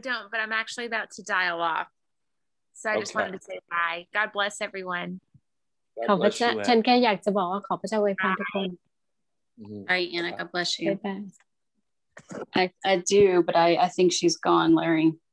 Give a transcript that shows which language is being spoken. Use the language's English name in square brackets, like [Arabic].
[English] Don't, but I'm actually about to dial off. So I just wanted to say bye. God bless everyone. [Thai] ขอพระเจ้าฉันแค่อยากจะบอกว่าขอพระเจ้าอวยพรทุกคน [English] Bye, Anna. God bless you. Bye-bye. I do, but I think she's gone, Larry.